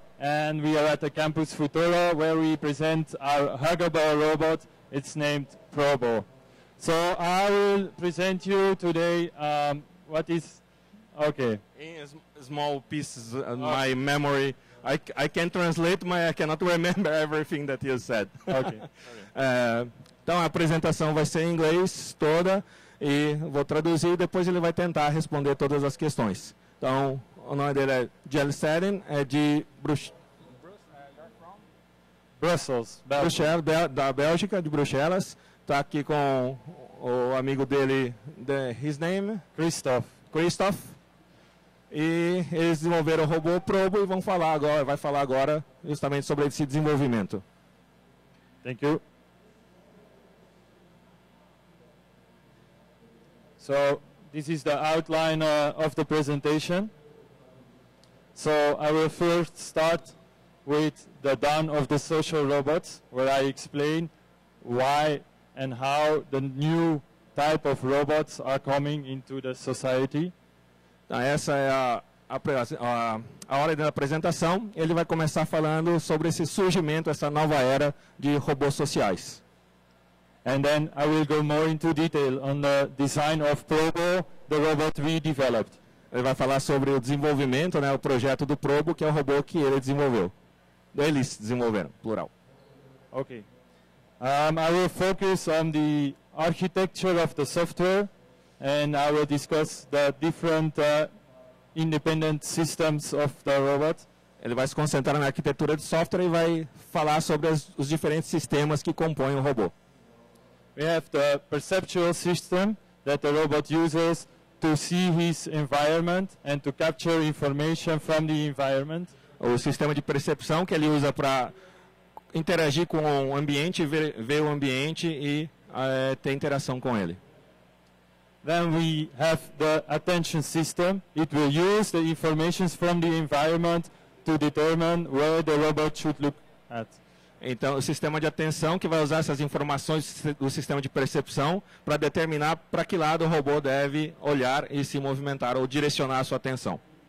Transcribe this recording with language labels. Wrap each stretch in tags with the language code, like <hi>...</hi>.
<en>And we are at the Campus Futuro where we present our huggable robot. It's named Probo. So I will present you today what is, okay. In small pieces, my memory, I can translate, but I cannot remember everything that you said. Okay.</en> <pt>Então a apresentação vai ser em inglês toda e vou traduzir e depois ele vai tentar responder todas as questões. Então, o nome dele é Jelly Setting, é de</pt> <en>Brussels,</en> <pt>Bruxelas, da Bélgica, de Bruxelas. Está aqui com o amigo dele,</pt> <en>his name?</en> <pt>Christoph. Christoph. E eles desenvolveram o robô Probo e vão falar agora, vai falar agora justamente sobre esse desenvolvimento.</pt> <en>Thank you. So, this is the outline of the presentation. So, I will first start with the dawn of the social robots, where I explain why and how the new type of robots are coming into the society.</en> <pt>Essa é a hora da apresentação. Ele vai começar falando sobre esse surgimento, essa nova era de robôs sociais.</pt> <en>And then I will go more into detail on the design of Probo, the robot we developed.</en> <pt>Ele vai falar sobre o desenvolvimento, né, o projeto do Probo, que é o robô que ele desenvolveu. Eles desenvolveram, plural.</pt> <en>Okay. I will focus on the architecture of the software and I will discuss the different independent systems of the robot.</en> <pt>Ele vai se concentrar na arquitetura de software e vai falar sobre os diferentes sistemas que compõem o robô.</pt> <en>We have the perceptual system that the robot uses to see his environment and to capture information from the environment.</en> <pt>O sistema de percepção que ele usa para interagir com o ambiente, ver o ambiente e ter interação com ele.</pt> <en>Then we have the attention system. It will use the information from the environment to determine where the robot should look at.</en> <pt>Então, o sistema de atenção que vai usar essas informações do sistema de percepção para determinar para que lado o robô deve olhar e se movimentar ou direcionar a sua atenção.</pt>